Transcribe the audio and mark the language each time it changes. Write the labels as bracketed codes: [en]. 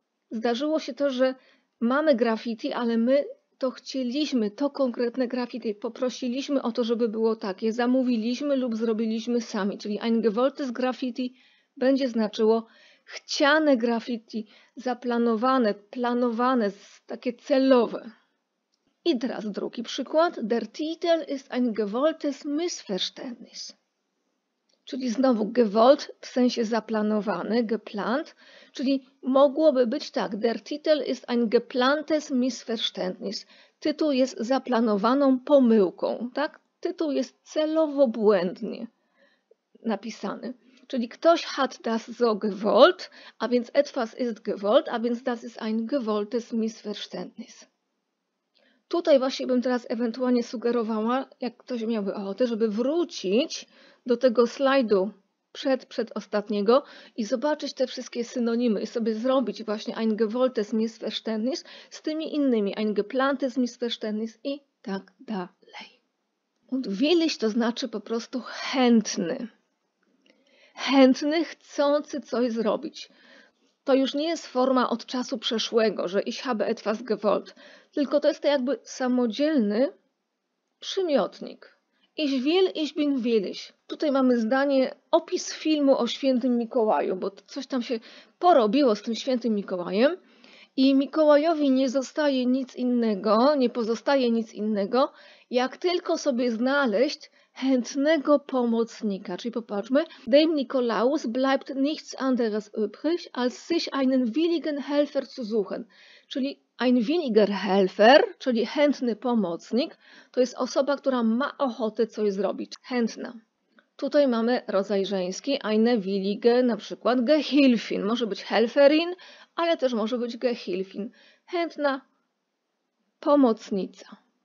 [pl] Zdarzyło się to, że mamy graffiti, ale my to chcieliśmy, to konkretne graffiti, poprosiliśmy o to, żeby było takie, zamówiliśmy lub zrobiliśmy sami, czyli [de] ein gewolltes Graffiti [pl] będzie znaczyło chciane graffiti, zaplanowane, planowane, takie celowe. I teraz drugi przykład. [de] Der Titel ist ein gewolltes Missverständnis. [pl] Czyli znowu gewollt w sensie zaplanowany, geplant. Czyli mogłoby być tak. [de] Der Titel ist ein geplantes Missverständnis. [pl] Tytuł jest zaplanowaną pomyłką. Tak? Tytuł jest celowo błędnie napisany. Czyli ktoś [de] hat das so gewollt, [pl] a więc [de] etwas ist gewollt, a więc das ist ein gewolltes Missverständnis. [pl] Tutaj właśnie bym teraz ewentualnie sugerowała, jak ktoś miałby ochotę, żeby wrócić do tego slajdu przedostatniego i zobaczyć te wszystkie synonimy i sobie zrobić właśnie [de] ein gewolltes Missverständnis [pl] z tymi innymi, [de] ein geplantes Missverständnis [pl] i tak dalej. [de] Und willig [pl] to znaczy po prostu chętny. Chętny, chcący coś zrobić. To już nie jest forma od czasu przeszłego, że [de] ich habe etwas gewollt, [pl] tylko to jest to jakby samodzielny przymiotnik. [de] Ich will, ich bin willig. [pl] Tutaj mamy zdanie, opis filmu o świętym Mikołaju, bo coś tam się porobiło z tym świętym Mikołajem I Mikołajowi nie zostaje nic innego, nie pozostaje nic innego, jak tylko sobie znaleźć chętnego pomocnika. Czyli popatrzmy, [de] dem Nikolaus bleibt nichts anderes übrig, als sich einen willigen Helfer zu suchen. [pl] Czyli [de] ein williger Helfer, [pl] czyli chętny pomocnik, to jest osoba, która ma ochotę coś zrobić, chętna. Tutaj mamy rodzaj żeński, [de] eine willige, [pl] na przykład Gehilfin, może być Helferin, ale też może być Gehilfin, chętna pomocnica.